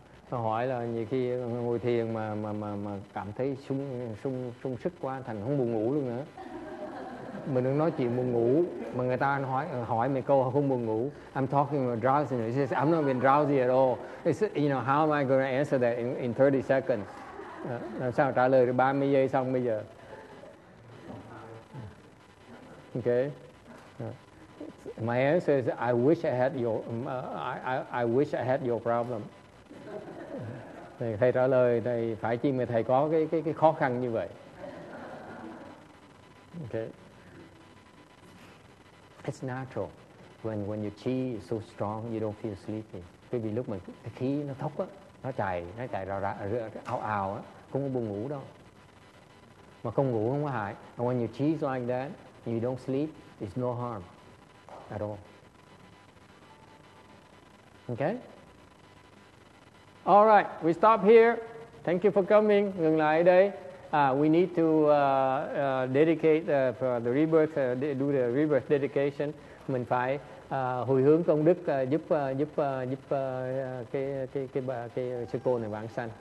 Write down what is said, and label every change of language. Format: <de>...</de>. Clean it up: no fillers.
<vi>Nó hỏi là nhiều khi ngồi thiền mà cảm thấy sung sức quá thành không buồn ngủ luôn nữa. Mình đang nói chuyện buồn ngủ mà người ta hỏi mày câu không buồn ngủ.</vi> <en>I'm talking about drowsiness. He says, I'm not even drowsy at all. It's, you know, how am I going to answer that in 30 seconds?</en> <vi>Làm sao trả lời được 30 giây xong bây giờ?</vi> <en>Okay. My answer is, I wish I had your problem.</en> <vi>Thầy trả lời, thầy phải chi mà thầy có cái khó khăn như vậy.</vi> <en>Okay. It's natural. When your chi is so strong, you don't feel sleepy.</en> <vi>Quý vị lúc mà cái khí nó thốc á, nó chạy ra ra, ra ao ao á, không có buồn ngủ đâu. Mà không ngủ không có hại.</vi> <en>And when your chi is like that, and you don't sleep, it's no harm at all. Okay? All right, we stop here. Thank you for coming.</en> <vi>Ngừng lại đây.</vi> <en>We need to dedicate for the rebirth, do the rebirth dedication.</en> <vi>Mình phải hồi hướng công đức giúp cái sư cô này vãng sanh.</vi>